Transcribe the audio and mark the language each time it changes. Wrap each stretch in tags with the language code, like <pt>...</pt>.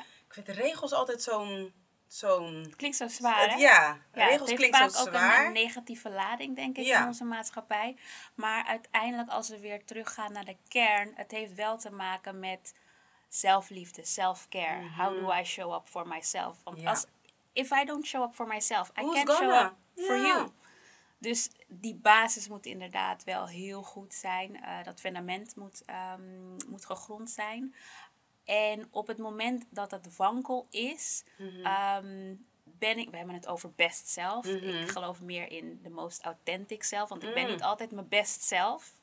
<nl>Ik vind de regels altijd zo'n... Het klinkt zo zwaar, hè? Ja, ja, regels klinken zo zwaar. Het heeft vaak ook een negatieve lading, denk ik, in onze maatschappij. Maar uiteindelijk, als we weer teruggaan naar de kern... Het heeft wel te maken met zelfliefde, self-care.</nl> <en>Mm-hmm. How do I show up for myself?</en> <nl>Want als...</nl> <en>If I don't show up for myself, I can't show up for you.</en> <nl>Dus die basis moet inderdaad wel heel goed zijn. Dat fundament moet, moet gegrond zijn. En op het moment dat het wankel is, ben ik... We hebben het over best self. Mm-hmm. Ik geloof meer in de most authentic self. Want ik ben niet altijd mijn best self.</nl>